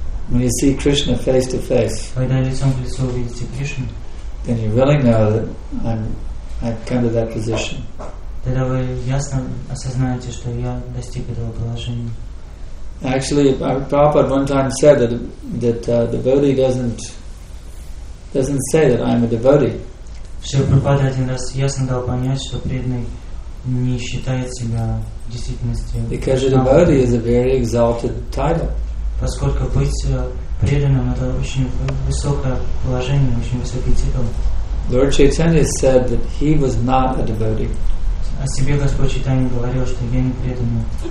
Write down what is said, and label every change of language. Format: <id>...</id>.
<en>When you see Krishna face to face, then you really know that I've come to that position. Actually, Prabhupada one time said that devotee doesn't say that I'm a devotee.</en> <ru>Шри Прабхупада один раз ясно дал понять, что преданный не считает себя в действительности.</ru> <en>Because a devotee is a very exalted title.</en> <ru>Поскольку быть преданным — это очень высокое положение, очень высокий титул.</ru> <en>Lord Chaitanya said that he was not a devotee.</en> <ru>О себе Господь Чайтанья говорил, что я не преданный.</ru>